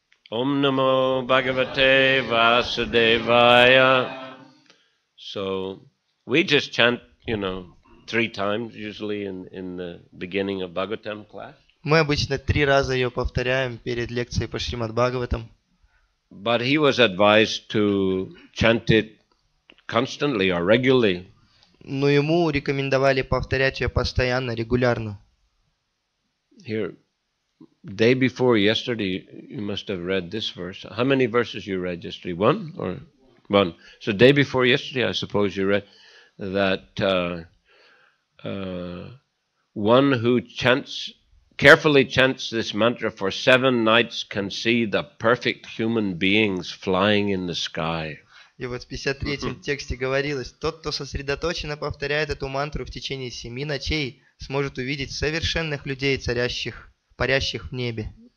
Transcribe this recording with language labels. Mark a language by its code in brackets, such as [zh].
[sa] Ом намо Бхагавате Васудевая. [en] So we just chant, you know, 3 times usually in the beginning of Bhagavatam class. [ru] Мы обычно 3 раза ее повторяем перед лекцией по Шримад Бхагаватам. [en] But he was advised to chant it constantly or regularly. [ru] Но ему рекомендовали повторять ее постоянно, регулярно. [en] Here, day before yesterday, you must have read this verse. How many verses you read yesterday? One or? One. So day before yesterday, I suppose you read that one who carefully chants this mantra for 7 nights can see the perfect human beings flying in the sky. [ru] И вот в 53-м тексте говорилось, тот, кто сосредоточенно повторяет эту мантру в течение 7 ночей, сможет увидеть совершенных людей, парящих в небе.